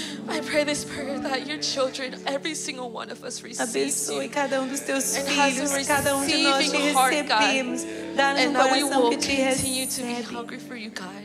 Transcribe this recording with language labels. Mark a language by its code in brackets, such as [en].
[en] I pray this prayer that your children, every single one of us, receive you. [pt] Abençoe cada dos teus filhos, cada de nós te recebemos. [en] And that we will continue to be hungry for you, God.